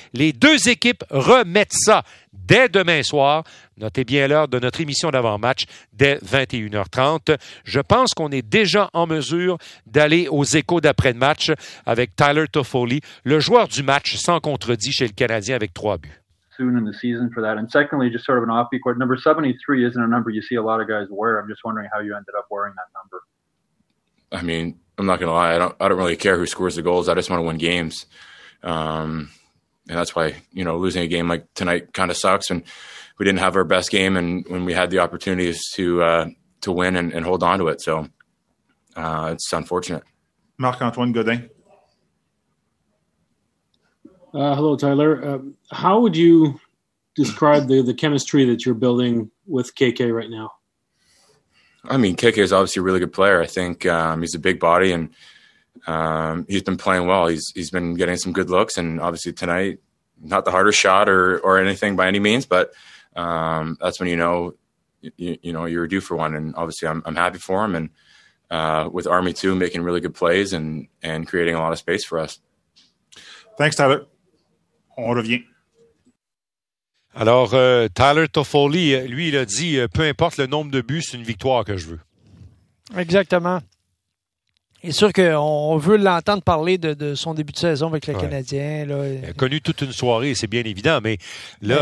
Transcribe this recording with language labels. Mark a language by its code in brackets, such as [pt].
[fr] Les deux équipes remettent ça dès demain soir. Notez bien l'heure de notre émission d'avant-match dès 21h30. Je pense qu'on est déjà en mesure d'aller aux échos d'après-match avec Tyler Toffoli, le joueur du match sans contredit chez le Canadien avec 3 buts. [en] Soon in the season for that. And secondly, just sort of an offbeat question, number 73 isn't a number you see a lot of guys wear. I'm just wondering how you ended up wearing that number. I mean, I'm not going to lie. I don't really care who scores the goals. I just want to win games. And that's why, you know, losing a game like tonight kind of sucks. And we didn't have our best game. And when we had the opportunities to win and hold on to it. So it's unfortunate. Marc-Antoine Godin. Hello, Tyler. How would you describe the chemistry that you're building with KK right now? I mean, KK is obviously a really good player. I think he's a big body and he's been playing well. He's been getting some good looks, and obviously tonight, not the hardest shot or anything by any means, but that's when you know you're due for one. And obviously I'm happy for him, and with Army too making really good plays and creating a lot of space for us. Thanks, Tyler. [fr] On revient. Alors, Tyler Toffoli, lui, il a dit « Peu importe le nombre de buts, c'est une victoire que je veux. » Exactement. C'est sûr qu'on veut l'entendre parler de son début de saison avec le Canadien. Là. Il a connu toute une soirée, c'est bien évident, mais là,